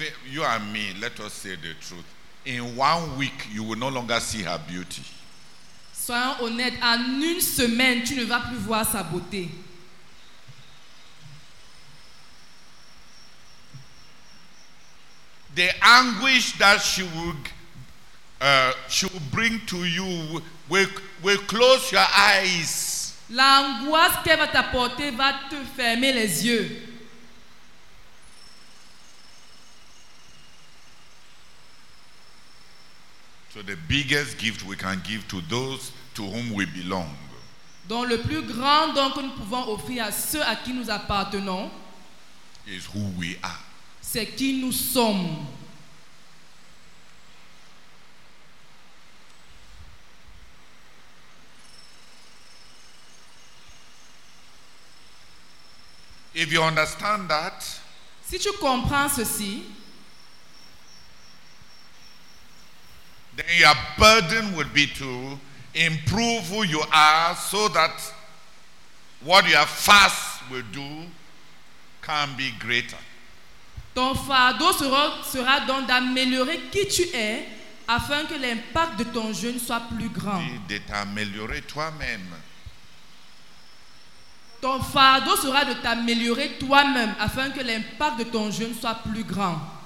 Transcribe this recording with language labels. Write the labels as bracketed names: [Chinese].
[English] You and me, let us say the truth. In 1 week, you will no longer see her beauty. [French] Soyons honnêtes, en une semaine, tu ne vas plus voir sa beauté. [English] The anguish that she will bring to you will close your eyes. [French] L'angoisse qu'elle va t'apporter va te fermer les yeux. [English] So the biggest gift we can give to those to whom we belong. [French] Donc le plus grand don que nous pouvons offrir à ceux à qui nous appartenons. [English] Is who we are. [French] C'est qui nous sommes. [English] If you understand that, [French] si tu comprends ceci, [English] then your burden would be to improve who you are so that what your fast will do can be greater. [French] Ton fardeau sera donc d'améliorer qui tu es afin que l'impact de ton jeûne soit plus grand. Et de t'améliorer toi-même. Ton fardeau sera de t'améliorer toi-même afin que l'impact de ton jeûne soit plus grand.